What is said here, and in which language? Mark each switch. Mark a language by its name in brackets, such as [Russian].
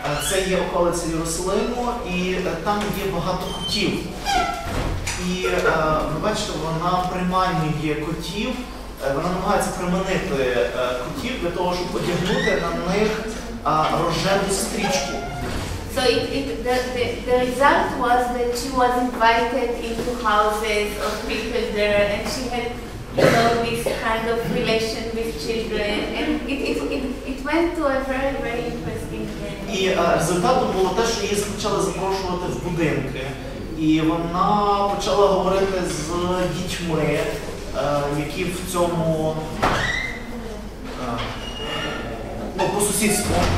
[Ukrainian] Це є околиця Єрусалиму, і там є багато котів. І ви бачите, вона приманює котів, вона намагається приманити котів для того, щоб одягнути на них рожеву стрічку. [English] So the result was that she was invited into houses of people there, and she had this kind of relation with children, and it went to a very, very interesting [Ukrainian] І результатом було те, що її почали запрошувати в будинки. І вона почала говорити з дітьми, які в цьому по сусідству.